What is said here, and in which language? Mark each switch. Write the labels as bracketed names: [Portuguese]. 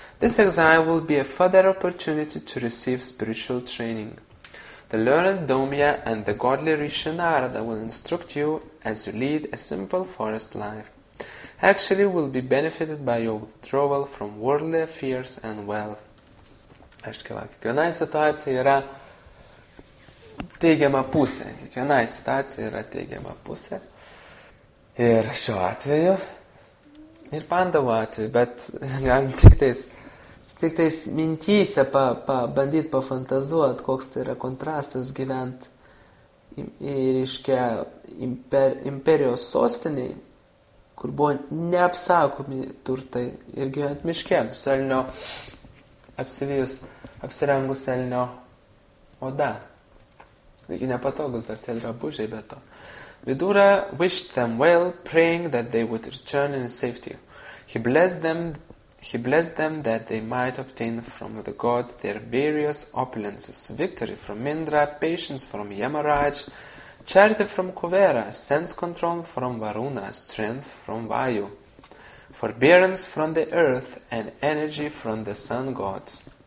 [English] This exile will be a further opportunity to receive spiritual training. The learned Domya and the godly Rishi Narada will instruct you as you lead a simple forest life. Actually, you will be benefited by your withdrawal from worldly affairs and wealth. [Lithuanian] Aiškiai, va, kiekvienai situacijai yra teigiama pusė. Kiekvienai situacijai yra teigiama pusė. Ir šiuo atveju, ir Pandavų atveju, bet galim tik tais Tik tais mintyse pabandyti pafantazuoti, koks tai yra kontrastas gyventi reiškia imperijos sostiniai, kur buvo neapsakomi turtai ir gyventi miške su elnio apsirengus elnio oda. Taigi nepatogus dar tie drabužiai be to. [English] Vidura wished them well, praying that they would return in safety. He blessed them that they might obtain from the gods their various opulences, victory from Indra, patience from Yamaraj, charity from Kuvera, sense control from Varuna, strength from Vayu, forbearance from the earth, and energy from the sun gods.